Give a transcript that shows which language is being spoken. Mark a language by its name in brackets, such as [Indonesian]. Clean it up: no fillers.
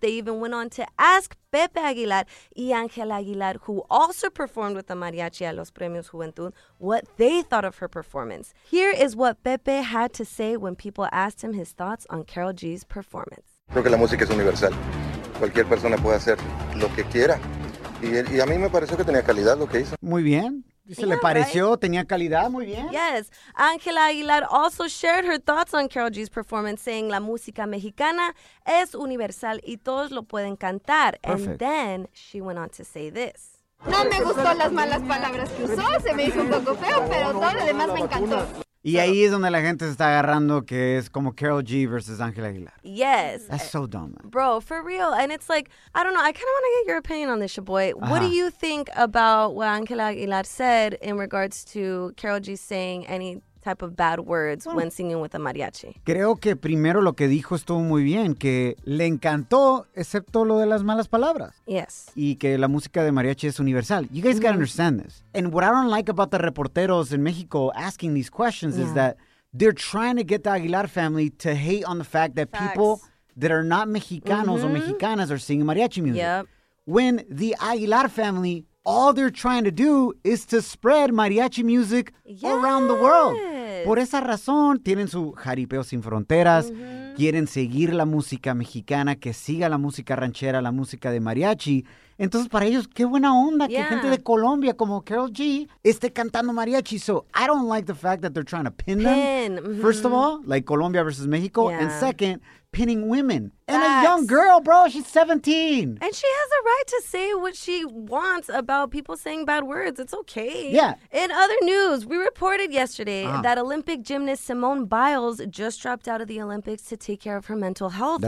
[English] They even went on to ask Pepe Aguilar y Ángela Aguilar, who also performed with the mariachi at Los Premios Juventud, what they thought of her performance. Here is what Pepe had to say when people asked him his thoughts on Karol G's performance. [Spanish] Creo que la música es universal. Cualquier persona puede hacer lo que quiera. Y a mí me pareció que tenía calidad lo que hizo. Muy bien. Se le pareció, right? Tenía calidad, muy bien. [English] Yes. Ángela Aguilar also shared her thoughts on Karol G's performance, saying [Spanish] la música mexicana es universal y todos lo pueden cantar. [English] Perfect. And then she went on to say this. [Spanish] No me gustó las malas palabras que usó, se me hizo un poco feo, pero todo lo demás me encantó. Y ahí es donde la gente se está agarrando, que es como Karol G versus Ángela Aguilar. [English] Yes. That's so dumb, man. Bro, for real. And it's like, I don't know, I kind of want to get your opinion on this, Shaboy. Uh-huh. What do you think about what Ángela Aguilar said in regards to Karol G saying any type of bad words when singing with a mariachi? [Spanish] Creo que primero lo que dijo estuvo muy bien, que le encantó, excepto lo de las malas palabras. [English] Yes. [Spanish] Y que la música de mariachi es universal. [English] You guys gotta understand this. And what I don't like about the reporteros in Mexico asking these questions is that they're trying to get the Aguilar family to hate on the fact that people that are not Mexicanos or Mexicanas are singing mariachi music. Yep. When the Aguilar family, all they're trying to do is to spread mariachi music around the world. [Spanish] Por esa razón, tienen su jaripeo sin fronteras. Mm-hmm. Quieren seguir la música mexicana, que siga la música ranchera, la música de mariachi. Entonces, para ellos, qué buena onda que gente de Colombia como Karol G esté cantando mariachi. [English] So, I don't like the fact that they're trying to pin them. First of all, like Colombia versus Mexico. Yeah. And second, pinning women. And a young girl, bro. She's 17. And she has a right to say what she wants about people saying bad words. It's okay. Yeah. In other news, we reported yesterday that Olympic gymnast Simone Biles just dropped out of the Olympics to take care of her mental health,